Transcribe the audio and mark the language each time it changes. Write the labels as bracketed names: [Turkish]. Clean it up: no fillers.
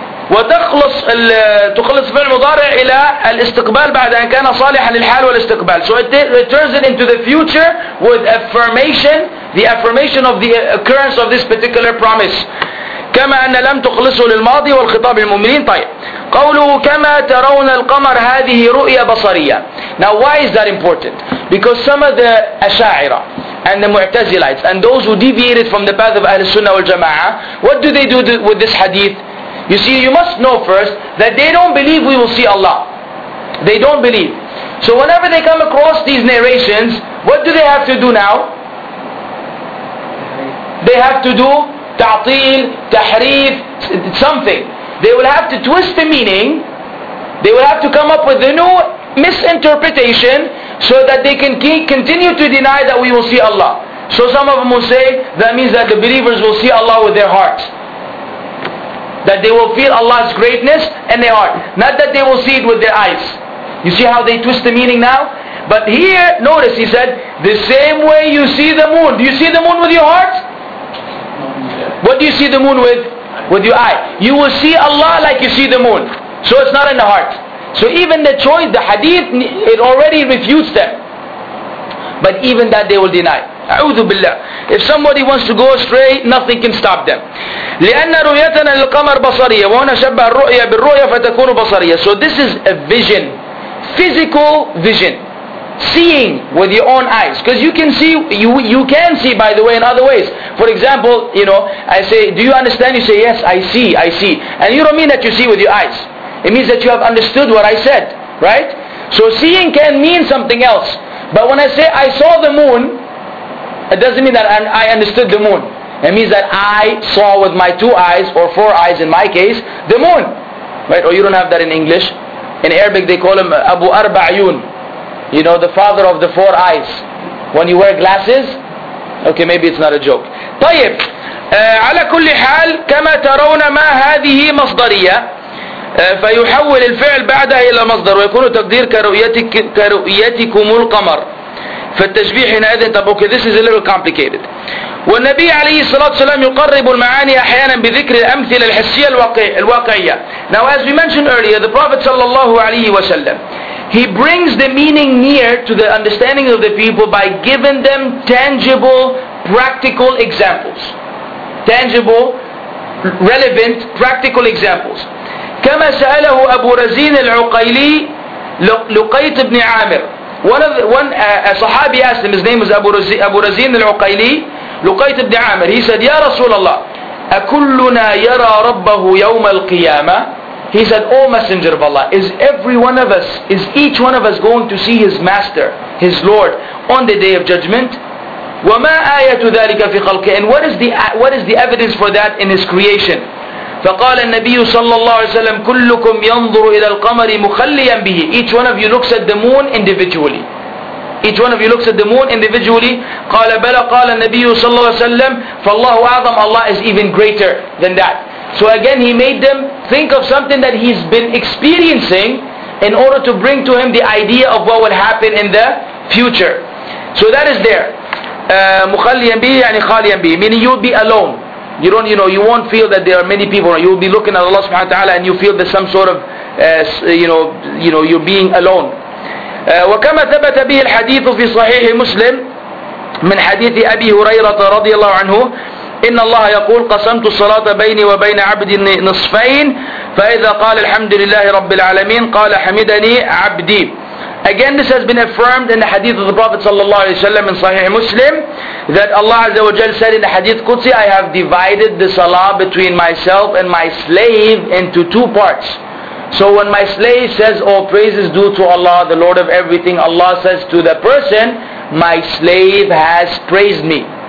[Arabic] وتخلص تخلص فعل مضارع إلى الاستقبال بعد أن كان صالحا للحال والاستقبال. [English] So it returns it into the future with affirmation, the affirmation of the occurrence of this particular promise. [Arabic] كما أن لم تخلصه للماضي والخطاب للمؤمنين. طيب قوله كما ترون القمر هذه رؤية بصرية. [English] Now why is that important? Because some of the أشاعرة and the Mu'tazilites and those who deviated from the path of Ahl Sunnah wal Jama'ah, what do they do with this hadith? You see, you must know first that they don't believe we will see Allah. They don't believe. So whenever they come across these narrations, what do they have to do now? They have to do [Arabic] تعطيل تحريف [English] something. They will have to twist the meaning. They will have to come up with a new misinterpretation so that they can continue to deny that we will see Allah. So some of them will say that means that the believers will see Allah with their hearts, that they will feel Allah's greatness in their heart, not that they will see it with their eyes. You see how they twist the meaning now? But here, notice he said, the same way you see the moon. Do you see the moon with your heart? What do you see the moon with? With your eye. You will see Allah like you see the moon. So it's not in the heart. So even the choice, the hadith, it already refutes them. But even that they will deny. [Arabic] أعوذ بالله. [English] If somebody wants to go astray, nothing can stop them. [Arabic] لأن رؤيتنا للقمر بصرية وهنا شبه الرؤية بالرؤية فتكون بصرية. [English] So this is a vision, physical vision, seeing with your own eyes. Because you can see, you can see, by the way, in other ways. For example, you know, I say, do you understand? You say, yes, I see. And you don't mean that you see with your eyes. It means that you have understood what I said, right? So seeing can mean something else. But when I say I saw the moon, it doesn't mean that I understood the moon. It means that I saw with my two eyes, or four eyes in my case, the moon. Right? Or you don't have that in English. In Arabic they call him Abu Arba'ayun. You know, the father of the four eyes. When you wear glasses, okay, maybe it's not a joke. [Arabic] طيب, على كل حال كما ترون ما هذه مصدرية فيحول الفعل بعدها إلى مصدر ويكون تقدير كرؤيتكم القمر فالتشبيه حينئذ. طب [English] okay, this is a little complicated. [Arabic] والنبي عليه الصلاة والسلام يقرب المعاني أحيانا بذكر الأمثلة الحسية الواقعية. [English] Now as we mentioned earlier, the Prophet [Arabic] صلى الله عليه وسلم, [English] he brings the meaning near to the understanding of the people by giving them tangible, practical examples. Tangible, relevant, practical examples. [Arabic] كما سأله أبو رزين العقيلي لقيط بن عامر. [English] One Sahabi asked him, his name was Abu Razin al-Uqayli, لقيط بن عامر. He said, [Arabic] يا رسول الله, أكلنا يرى ربه يوم القيامة؟ [English] He said, O Messenger of Allah, is every one of us, is each one of us going to see his Master, his Lord, on the Day of Judgment? [Arabic] وما آية ذلك في خلقه? [English] And what is the evidence for that in his creation? [Arabic] فقال النبي صلى الله عليه وسلم كلكم ينظر إلى القمر مخليا به. [English] Each one of you looks at the moon individually. Each one of you looks at the moon individually. [Arabic] قال بلى قال النبي صلى الله عليه وسلم فالله أعظم. [English] Allah is even greater than that. So again, he made them think of something that he's been experiencing in order to bring to him the idea of what will happen in the future. So that is there. [Arabic] مخليا به يعني خاليا به, [English] meaning you'll be alone. You don't, you know, you won't feel that there are many people. You'll be looking at Allah subhanahu wa ta'ala and you feel that some sort of, you know, you're being alone. [Arabic] وكما ثبت به الحديث في صحيح مسلم من حديث أبي هريرة رضي الله عنه إن الله يقول قسمت الصلاة بيني وبين عبدي نصفين فإذا قال الحمد لله رب العالمين قال حمدني عبدي. [English] Again, this has been affirmed in the hadith of the Prophet sallallahu alayhi wa sallam in Sahih Muslim that Allah azza wa jal said in the hadith Qudsi, I have divided the salah between myself and my slave into two parts. So when my slave says, all praises due to Allah, the Lord of everything, Allah says to the person, my slave has praised me.